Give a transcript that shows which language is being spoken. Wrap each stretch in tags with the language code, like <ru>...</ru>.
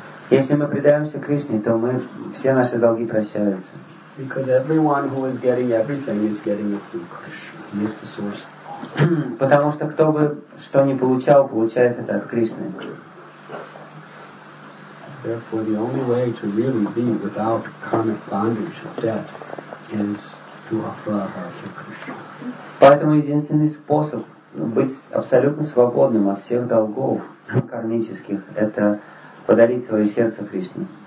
<ru>Если мы предаемся Кришне, то мы все наши долги прощаются.</ru> <en>Because everyone who is getting everything is getting it through Krishna. He is the source.</en> <ru>Потому что кто бы что ни получал, получает это от Кришны.</ru> <en>Therefore, the only way to really be without karmic bondage of debt is to offer our heart to Krishna.</en> <ru>Поэтому единственный способ быть абсолютно свободным от всех долгов кармических — это подарить свое сердце Кришне.</ru>